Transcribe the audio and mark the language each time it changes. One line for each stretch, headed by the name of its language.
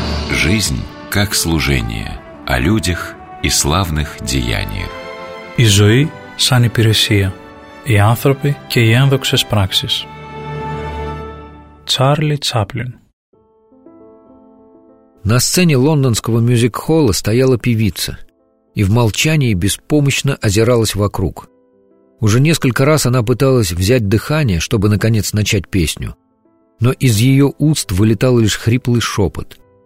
Russian: Жизнь как служение, о людях и славных деяниях.
Greek: Η ζωή σαν υπηρεσία, οι άνθρωποι και οι ένδοξες πράξεις.
Russian: Чарли Чаплин. На сцене лондонского мюзик-холла стояла певица и в молчании беспомощно озиралась вокруг. Уже несколько раз она пыталась взять дыхание, чтобы наконец начать песню, но из ее уст вылетал лишь хриплый шепот.